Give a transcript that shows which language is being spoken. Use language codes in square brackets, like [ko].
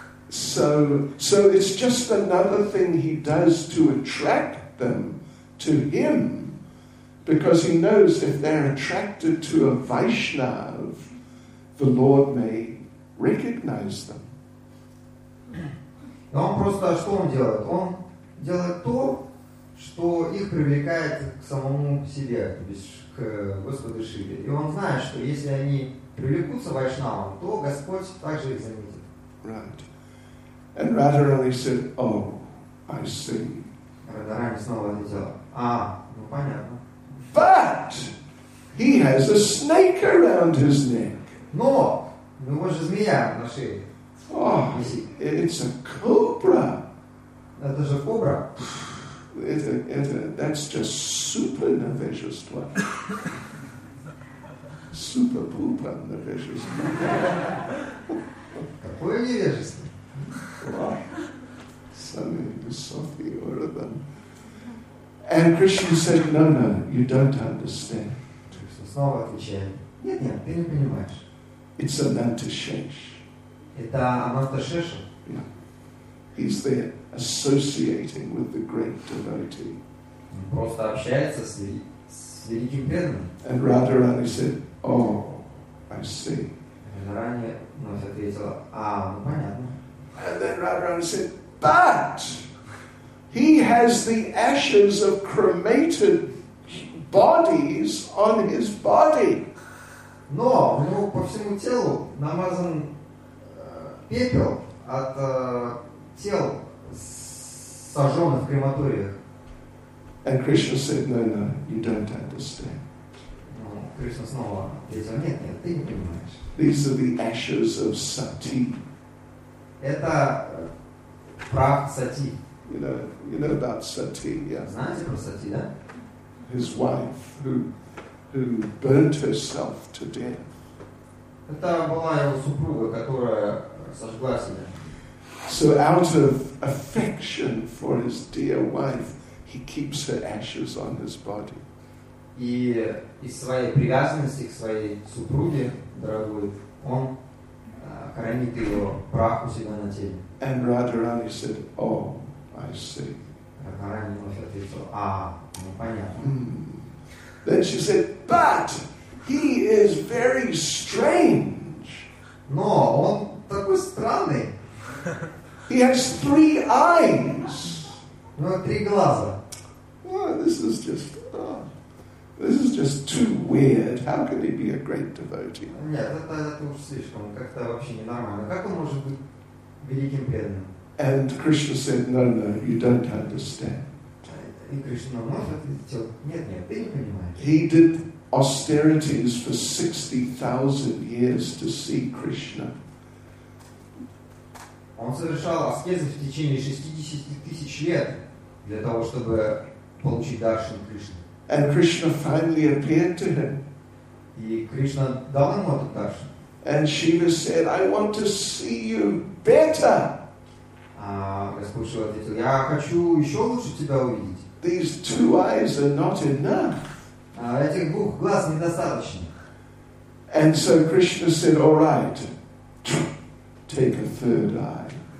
[en] So it's just another thing he does to attract them to him, because he knows if they're attracted to a Vaishnav, the Lord may recognize them. [ru] Он просто, что он делает? Он делает то, что их привлекает к самому себе, то есть к Господу Шиве. И он знает, что если они привлекутся вайшнавам, то Господь также их заметит. [en] Right. And Radharani said, oh, I see. [ru] Радхарани снова ответила, а, ну понятно. [en] But he has a snake around his neck. [ru] Но у него же змея на шее. [en] Oh, it's a cobra. [ru] Это же кобра. [en] That's just super navishastva. Super pooper navishastva. [ru] Какое невежество. [en] Wow. Something softy or other. And Krishna said, no, you don't understand. [ru] Снова отвечает. Нет, ты не понимаешь. [en] It's a nantashesh. [ru] Это Анантошеша. [en] Yeah. He's there associating with the great devotee. [ru] Он просто общается с великим преданным. [en] And Radharani said, oh, I see. [ru] Радхарани вновь ответила, а, ну понятно. [en] And then Radharani said, but he has the ashes of cremated bodies on his body. [ru] Но у него по всему телу намазан пепел от тел сожженных в крематориях. [en] And Krishna said, no, you don't understand. [ru] Ну, Кришна снова ответил, нет, ты не понимаешь. [en] These are the ashes of sati. [ru] Это прах сати. [en] You know about sati, yeah. [ru] Знаете про сати, да? [en] His wife who burnt herself to death. [ru] Это была его супруга, которая сожгла себя. [en] So out of affection for his dear wife, he keeps her ashes on his body. [ru] И из своей привязанности к своей супруге, дорогой, он хранит его прах у себя на теле. [en] And Radharani said, oh, I see. [ru] Радхарани вновь ответил, а, ну понятно. [en] Then she said, but he is very strange. [ru] Но он такой странный. [en] He has three eyes. [ru] У него три глаза. [en] Oh, this is just too weird. How can he be a great devotee? [ru] Нет, это уж слишком. Как-то вообще ненормально. Как он может быть великим преданным? [en] And Krishna said, no, you don't understand. [ru] И Кришна вновь ответил, нет, ты не понимаешь. [en] He did austerities for 60,000 years to see Krishna. [ru] Он совершал аскезы в течение 60,000 лет для того, чтобы получить даршан Кришны. [en] And Krishna finally appeared to him. [ru] И Кришна дал ему этот даршан. [en] And Shiva said, I want to see you better. [ru] А Господь Шива ответил, я хочу еще лучше тебя увидеть. [en] These two eyes are not enough. [ru] А этих двух глаз недостаточно. [en] And so Krishna said, all right, take a third eye.